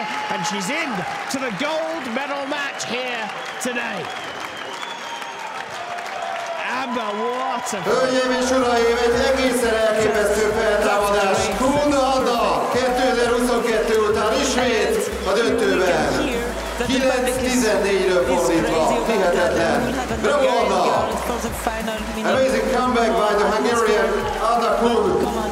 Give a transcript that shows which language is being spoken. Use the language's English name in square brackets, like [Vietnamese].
[English] and she's in to the gold medal match here today. Amber, what a... [Hungarian] Hölgyeim és uraim, egy egészen elképesztő feltámadás. Kunda Anna 2022 után ismét a döntőben. 9-14-ről fordítva, hihetetlen. Bravo Anna! [English] Amazing comeback by the Hungarian Anna Kun.